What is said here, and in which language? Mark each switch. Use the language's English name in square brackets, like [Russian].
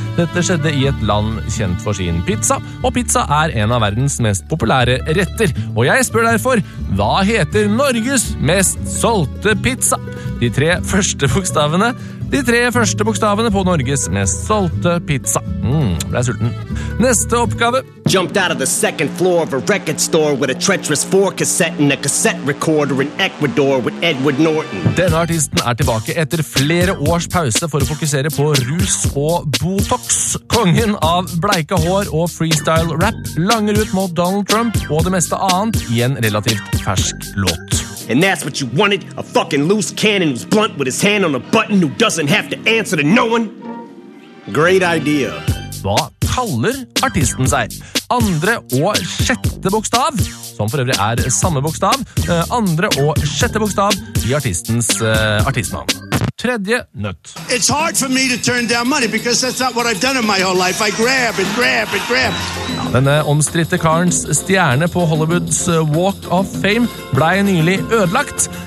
[Norwegian] Dette skjedde i et land kjent for sin pizza, og pizza en av verdens mest populære retter. Og jeg spør derfor, hva heter Norges mest solgte pizza? De tre første bokstavene. De tre første bokstavene på Norges mest solgte pizza. Ble jeg sulten. Neste oppgave. [English] Jumped out of the second floor of a record store with a treacherous four cassette and a cassette recorder in Ecuador with Edward Norton. [Norwegian] Denne artisten tilbake etter flere års pause for å fokusere på rus og botox. Kongen av bleika hår og freestyle rap langer ut mot Donald Trump og det meste annet i en relativt fersk låt. [English] And that's what you wanted, a fucking loose cannon who's blunt with his hand on a button who doesn't have to answer to no one. Great idea. [Norwegian] Hva kaller artisten seg? Andre og sjette bokstav, som for øvrig samme bokstav, andre og sjette bokstav i artistens artistnavn. Tredje nøtt. [English] It's hard for me to turn down money because that's not what I've done in my whole life. I grab and grab and grab. [Norwegian] Denne omstritte karens stjerne på Hollywoods Walk of Fame ble nylig ødelagt.